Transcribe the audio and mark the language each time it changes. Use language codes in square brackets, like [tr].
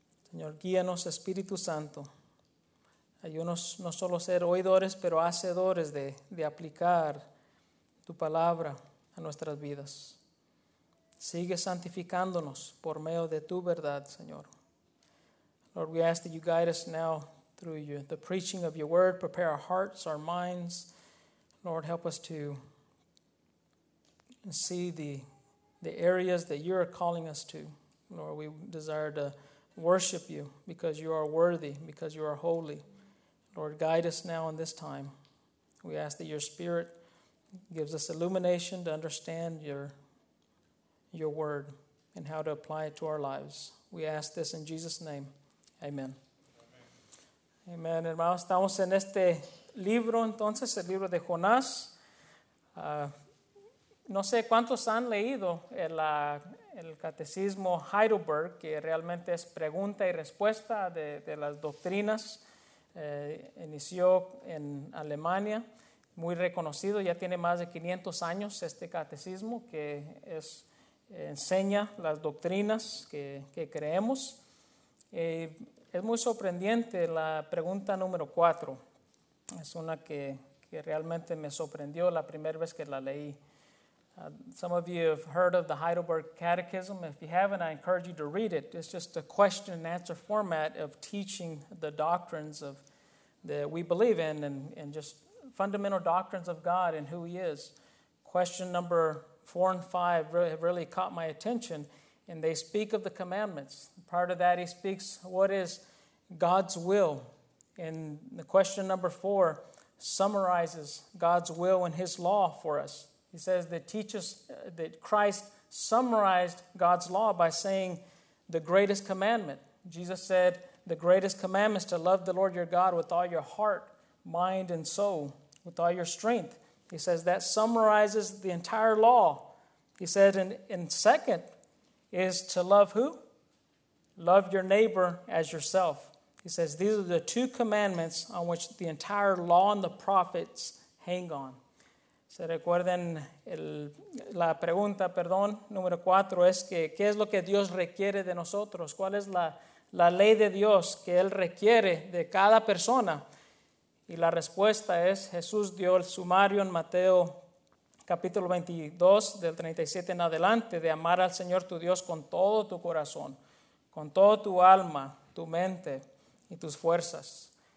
[es] Señor, guíanos, Espíritu Santo. Ayúdanos no solo ser oidores, pero hacedores de aplicar tu palabra a nuestras vidas. Sigue santificándonos por medio de tu verdad, Señor. [en] Lord, we ask that you guide us now through you, the preaching of your word. Prepare our hearts, our minds. Lord, help us to see the areas that you are calling us to. Lord, we desire to worship you because you are worthy, because you are holy. Lord, guide us now in this time. We ask that your spirit gives us illumination to understand your word and how to apply it to our lives. We ask this in Jesus' name. Amen. Amen. Amen. [es] Hermanos, estamos en este libro, entonces, el libro de Jonás. No sé cuántos han leído el Catecismo Heidelberg, que realmente es pregunta y respuesta de las doctrinas. Inició en Alemania, muy reconocido, ya tiene más de 500 años este catecismo que enseña las doctrinas que creemos. Es muy sorprendente la pregunta número 4, es una que realmente me sorprendió la primera vez que la leí. [en] Some of you have heard of the Heidelberg Catechism. If you haven't, I encourage you to read it. It's just a question and answer format of teaching the doctrines of that we believe in and just fundamental doctrines of God and who he is. Question number 4 and 5 really have really caught my attention, and they speak of the commandments. Part of that, he speaks, what is God's will? And the question number 4 summarizes God's will and his law for us. He says that teaches that Christ summarized God's law by saying the greatest commandment. Jesus said, the greatest commandment is to love the Lord your God with all your heart, mind, and soul, with all your strength. He says that summarizes the entire law. He said, and second is to love who? Love your neighbor as yourself. He says, these are the two commandments on which the entire law and the prophets hang on. [es] Se recuerden la pregunta, perdón, número 4, es que ¿qué es lo que Dios requiere de nosotros? ¿Cuál es la ley de Dios que Él requiere de cada persona? Y la respuesta es, Jesús dio el sumario en Mateo capítulo 22, del 37 en adelante, de amar al Señor tu Dios con todo tu corazón, con toda tu alma, tu mente y tus fuerzas.